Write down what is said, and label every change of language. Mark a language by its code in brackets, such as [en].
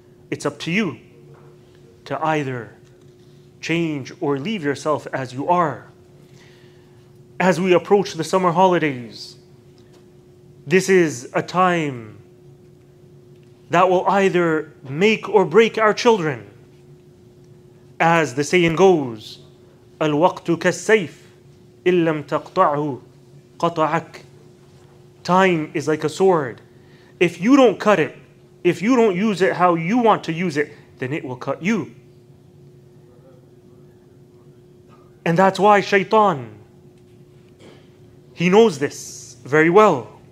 [en] It's up to you to either change or leave yourself as you are. As we approach the summer holidays, this is a time that will either make or break our children. As the saying goes, [ar] الوقت كالسيف إن لم تقطعه قطعك. [en] Time is like a sword. If you don't cut it, if you don't use it how you want to use it, then it will cut you. And that's why Shaitan, he knows this very well.